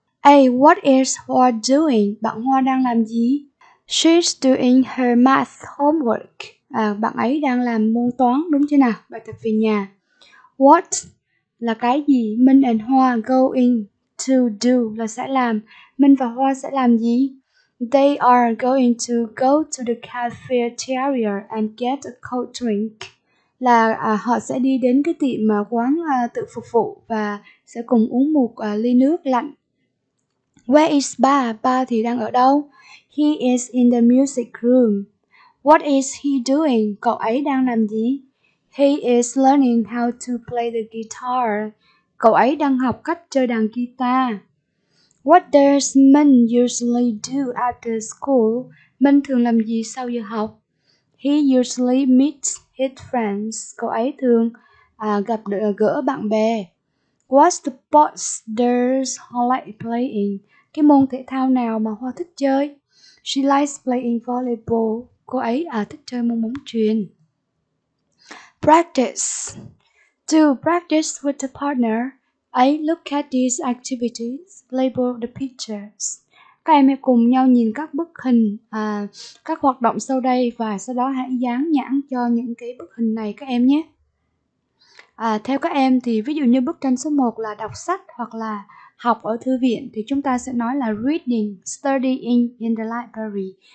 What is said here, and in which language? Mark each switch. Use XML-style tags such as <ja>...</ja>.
<en>A. What is Hoa doing?</en> <vi>Bạn Hoa đang làm gì?</vi> <en>She's doing her math homework.</en> <vi>Bạn ấy đang làm môn toán, đúng chưa nào? Bài tập về nhà. What là cái gì?</vi> <en>Minh and Hoa going to do</en> <vi>là sẽ làm. Minh và Hoa sẽ làm gì?</vi> <en>They are going to go to the cafeteria and get a cold drink.</en> <vi>Là họ sẽ đi đến cái tiệm quán tự phục vụ và sẽ cùng uống một ly nước lạnh.</vi> <en>Where is Ba?</en> <vi>Ba thì đang ở đâu?</vi> <en>He is in the music room. What is he doing?</en> <vi>Cậu ấy đang làm gì?</vi> <en>He is learning how to play the guitar.</en> <vi>Cậu ấy đang học cách chơi đàn guitar.</vi> <en>What does Min usually do after school?</en> <vi>Min thường làm gì sau giờ học?</vi> <en>He usually meets his friends.</en> <vi>Cậu ấy thường gỡ bạn bè.</vi> <en>What sports does Hoa like playing?</en> <vi>Cái môn thể thao nào mà Hoa thích chơi?</vi> <en>She likes playing volleyball.</en> <vi>Cô ấy thích chơi môn bóng chuyền.</vi> <en>Practice. To practice with a partner, I look at these activities, label the pictures.</en> <vi>Các em hãy cùng nhau nhìn các bức hình, các hoạt động sau đây và sau đó hãy dán nhãn cho những cái bức hình này các em nhé. Theo các em thì ví dụ như bức tranh số 1 là đọc sách hoặc là học ở thư viện thì chúng ta sẽ nói là</vi> <en>reading, studying in the library.</en>